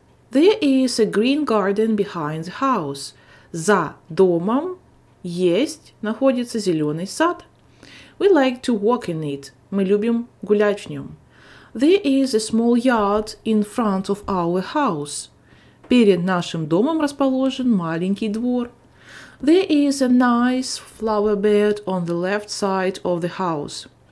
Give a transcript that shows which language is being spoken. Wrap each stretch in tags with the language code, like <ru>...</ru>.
<en>There is a green garden behind the house.</en> <ru>За домом есть, находится зеленый сад.</ru> <en>We like to walk in it.</en> <ru>Мы любим гулять в нем.</ru> <en>There is a small yard in front of our house.</en> <ru>Перед нашим домом расположен маленький двор.</ru> <en>There is a nice flower bed on the left side of the house.</en>